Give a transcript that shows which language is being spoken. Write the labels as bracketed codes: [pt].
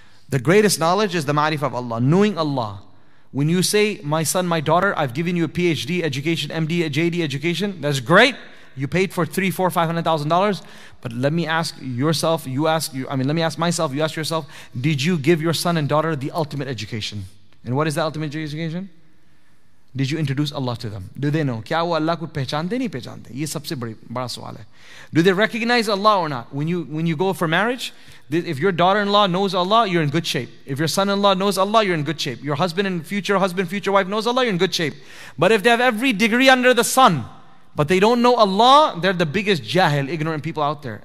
[en] The greatest knowledge is the ma'rifah of Allah, knowing Allah. When you say, my son, my daughter, I've given you a PhD education, MD, a JD education, that's great. You paid for $300,000-$500,000. But let me ask yourself, let me ask myself, you ask yourself, did you give your son and daughter the ultimate education? And what is the ultimate education? Did you introduce Allah to them? Do they know? [ur] کیا وہ اللہ کو پہچانتے نہیں پہچانتے؟ یہ سبسے بڑا سوال ہے۔ [en] Do they recognize Allah or not? When you go for marriage, if your daughter-in-law knows Allah, you're in good shape. If your son-in-law knows Allah, you're in good shape. Your future wife knows Allah, you're in good shape. But if they have every degree under the sun, but they don't know Allah, they're the biggest jahil, ignorant people out there.